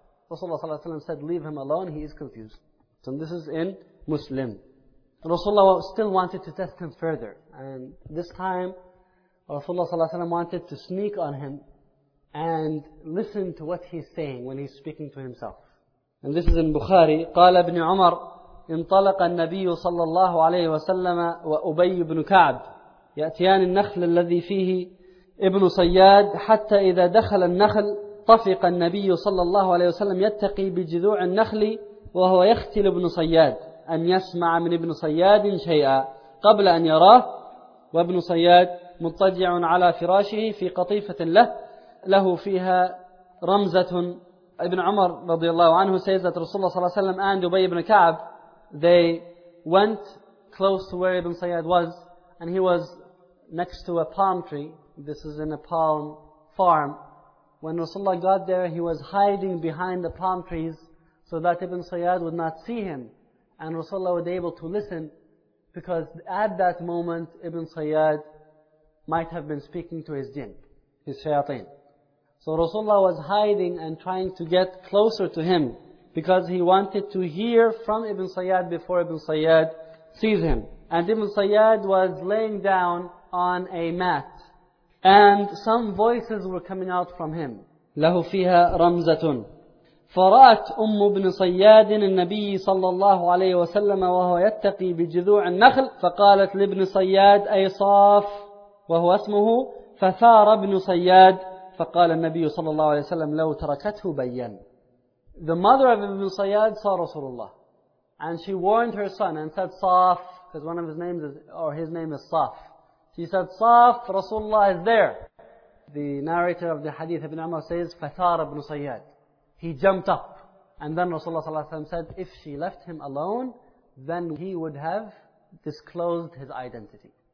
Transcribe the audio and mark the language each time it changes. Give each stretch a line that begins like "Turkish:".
English: Rasulullah sallallahu alayhi wa sallam said, leave him alone, he is confused. So this is in Muslim. Rasulullah still wanted to test him further. And this time, Rasulullah sallallahu alayhi wa sallam wanted to sneak on him and listen to what he's saying when he's speaking to himself. And this is in Bukhari.
Arabic: قَالَ ابْنِ عُمَرِ انْطَلَقَ النَّبِيُّ صَلَّى اللَّهُ عَلَيْهِ وَسَلَّمَ وَأُبَيُّ بْنُ كَعْبِ يَأْتِيَانِ النَّخْلِ الَّذِي فِيهِ إِبْنُ صَيَّادِ حَتَّى إِذَا دَخَلَ النَّخْلِ طفق النبي صلى الله عليه وسلم يتقي بجذوع النخل وهو يختل ابن صياد أن يسمع من ابن صياد شيئا قبل أن يراه وابن صياد مضطجع على فراشه في قطيفة له فيها رمزة
English: ابن عمر رضي الله عنه says that Rasulullah صلى الله عليه وسلم and Ubay ibn Ka'b they went close to where ibn Sayyad was and he was next to a palm tree this is in a palm farm When Rasulullah got there, he was hiding behind the palm trees so that Ibn Sayyad would not see him. And Rasulullah was able to listen because at that moment, Ibn Sayyad might have been speaking to his jinn, his shayateen. So Rasulullah was hiding and trying to get closer to him because he wanted to hear from Ibn Sayyad before Ibn Sayyad sees him. And Ibn Sayyad was laying down on a mat. And some voices were coming out from him.
Arabic: لَهُ فِيهَا رَمْزَةٌ فَرَأَتْ أُمُّ بْنِ صَيَّادٍ النَّبِيِّ صَلَّى اللَّهُ عَلَيْهِ وَسَلَّمَ وَهُوَ يَتَّقِي بِجِذُوعِ النَّخْلِ فَقَالَتْ لِابْنِ صَيَّادٍ أَيْ صَافٍ وَهُوَ أَسْمُهُ فَثَارَ ابْنُ صَيَّادٍ فَقَالَ النَّبِيُّ صَلَّى اللَّهُ عَلَيْهِ وَسَلَّمَ لَوْ تَرَكَتْهُ بَيَّنَ
English: The mother of Ibn Sayyad saw Rasulullah. And she warned her son and said,
Arabic: صَافٍ
English: because one of his names is, or his name is Saf. He said, Saf, Rasulullah is there. The narrator of the hadith Ibn Umar says, Fathar ibn Sayyad. He jumped up. And then Rasulullah sallallahu alayhi wa sallam said, if she left him alone, then he would have disclosed his identity.